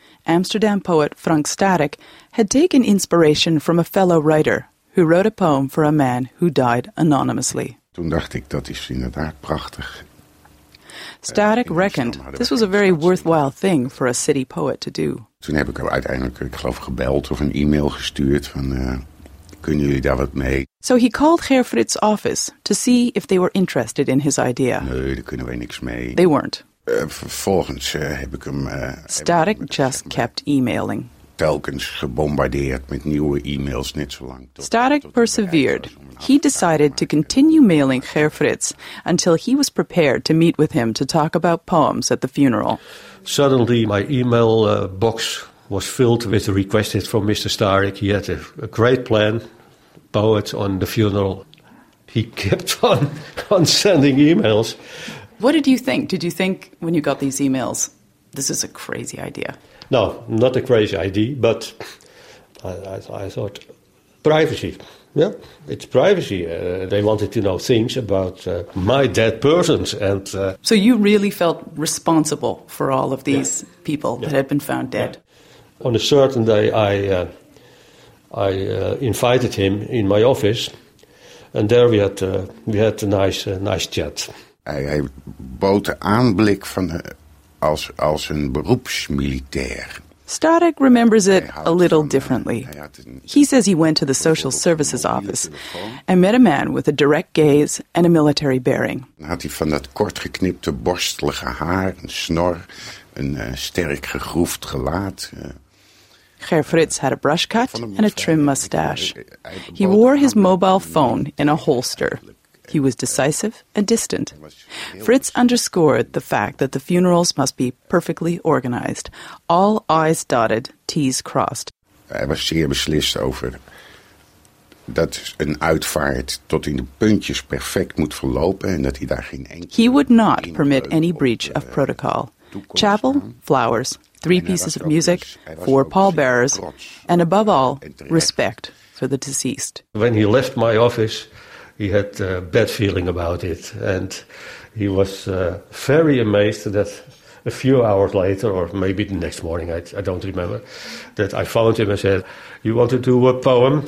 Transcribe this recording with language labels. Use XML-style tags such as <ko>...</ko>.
<en>Amsterdam poet Frank Starik had taken inspiration from a fellow writer who wrote a poem for a man who died anonymously.</en> <nl>Toen dacht ik, dat is inderdaad prachtig.</nl> <en>Starik reckoned this was a very worthwhile thing for a city poet to do.</en> <nl>Toen heb ik hem uiteindelijk, ik geloof, gebeld of een e-mail gestuurd van, kunnen jullie daar wat mee?</nl> <en>So he called Ger Frits' office to see if they were interested in his idea.</en> <nl>Nee, daar kunnen wij niks mee.</nl> <en>They weren't.</en> <nl>Vervolgens heb ik hem...</nl> <en>Starik just kept emailing.</en> <nl>Telkens gebombardeerd met nieuwe e-mails, net zo lang.</nl> <en>Starik persevered. He decided to continue mailing Ger Frits until he was prepared to meet with him to talk about poems at the funeral. Suddenly my email box was filled with requests from Mr. Starik. He had a great plan, poets on the funeral. He kept on sending emails. What did you think? Did you think when you got these emails, this is a crazy idea? No, not a crazy idea, but I thought privacy. Yeah, it's privacy. They wanted to know things about my dead persons. And so you really felt responsible for all of these people that had been found dead? Yeah. On a certain day, I invited him in my office, and there we had a nice chat.</en> <nl>Hij bood de aanblik van als een beroepsmilitair.</nl> <en>Starik remembers it a little differently. He says he went to the social services office and met a man with a direct gaze and a military bearing.</en> <nl>Had hij van dat kort geknipte borstelige haar, een snor, een sterk gegroefd gelaat.</nl> <en>Ger Frits had a brush cut and a trim mustache. He wore his mobile phone in a holster. He was decisive and distant. Frits underscored the fact that the funerals must be perfectly organized. All I's dotted, T's crossed.</en> <nl>Hij was zeer beslist over dat een uitvaart tot in de puntjes perfect moet verlopen en dat hij daar geen enkele...</nl> <en>He would not permit any breach of protocol. Chapel, flowers, three pieces of music, four pallbearers, and above all, respect for the deceased. When he left my office, he had a bad feeling about it, and he was very amazed that a few hours later, or maybe the next morning, I don't remember, that I phoned him and said, you want to do a poem?</en>